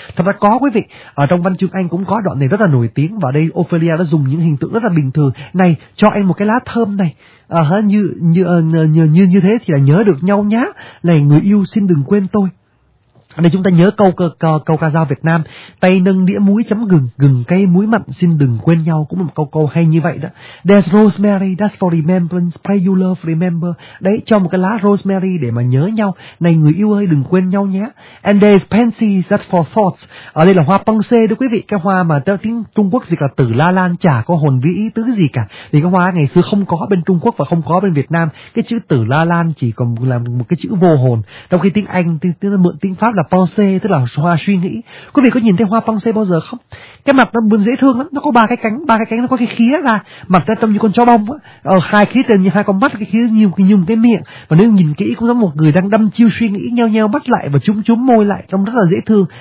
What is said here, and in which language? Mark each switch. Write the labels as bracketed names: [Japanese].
[Vietnamese] Thật ra có quý vị, ở trong văn chương Anh cũng có đoạn này rất là nổi tiếng, và đây Ophelia đã dùng những hình tượng rất là bình thường này, cho anh một cái lá thơm này. Như thế thì là nhớ được nhau nhá, này người yêu xin đừng quên tôi. Đây chúng ta nhớ câu ca dao Việt Nam, tay nâng đĩa muối chấm gừng, gừng cay muối mặn xin đừng quên nhau, cũng là một câu hay như vậy đó. [English] There's rosemary, that's for remembrance, pray you love, remember. [Vietnamese] Đấy, cho một cái lá rosemary để mà nhớ nhau, này người yêu ơi đừng quên nhau nhé. [English] And there's pansies, that's for thoughts. [Vietnamese] Ở đây là hoa păng xê đó quý vị, cái hoa mà tiếng Trung Quốc dịch là tử la lan, chả có hồn vĩ ý tứ gì cả. Vì cái hoa ngày xưa không có bên Trung Quốc và không có bên Việt Nam, cái chữ tử la lan chỉ còn là một cái chữ vô hồn. Trong khi tiếng Anh, tiếng mượn tiếng Pháp là pensée, tức là hoa suy nghĩ. Quý vị có nhìn thấy hoa pensée bao giờ không? Cái mặt nó buồn dễ thương lắm, nó có ba cái cánh, nó có cái khía ra, mặt nó trông như con chó bông á, hai khía trên như hai con mắt, cái khía như một cái miệng, và nếu nhìn kỹ cũng giống một người đang đâm chiêu suy nghĩ, nheo nheo mắt lại và chúm chúm môi lại, trông rất là dễ thương.